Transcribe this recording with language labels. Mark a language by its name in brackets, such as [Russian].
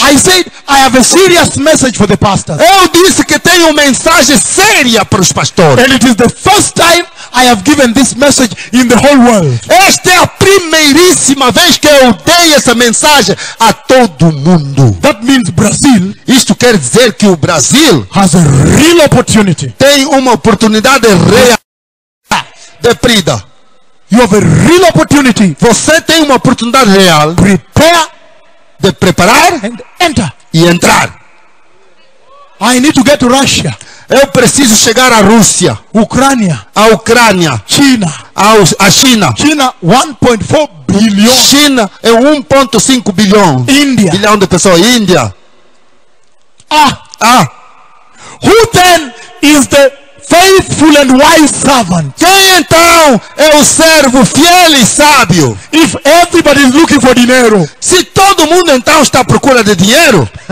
[English] I said I have a serious message for the pastors. [Portuguese] Eu disse que tenho uma mensagem séria para os pastores. [English] And it is the first time I have given this message in the whole world. [Portuguese] Esta é a primeiríssima vez que eu dei essa mensagem a todo mundo. [English] That means Brazil. [Portuguese] Isto quer dizer que o Brasil [English] has a real opportunity. [Portuguese] Tem uma oportunidade real de prida. [English] You have a real opportunity. [Portuguese] Você tem uma oportunidade real. [English] Prepare, [Portuguese] de preparar [English] and enter. [Portuguese] E entrar. [English] I need to get to Russia. [Portuguese] Eu preciso chegar à Rússia, Ucrânia, à Ucrânia, [English] China, [Portuguese] à China. China 1.4 bilhão. China é 1.5 bilhão. [English] India. [Portuguese] Bilhão de pessoas, Índia. Ah. [English] Who then is the faithful and wise servant? [Portuguese] Quem então é o servo fiel e sábio? [English] If everybody is looking for dinheiro. [Portuguese] Se todo mundo então está à procura de dinheiro?